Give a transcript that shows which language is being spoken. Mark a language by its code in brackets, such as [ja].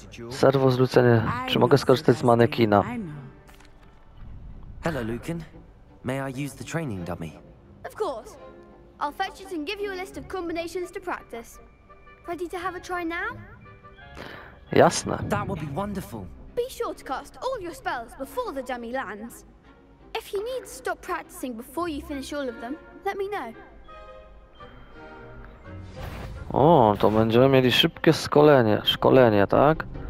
[pl] Serwo zlucenie. Czy mogę skorzystać z manekina? [en] Hello, Lucan. May I use the training dummy? Of course. I'll fetch it and give you a list of combinations to practice. Ready to have a try now? [pl] Jasne. [en] That would be wonderful. Be sure to cast all your spells before the dummy lands. If you need to stop practicing before you finish all of them, let me know. [pl] O, to będziemy mieli szybkie szkolenie, tak?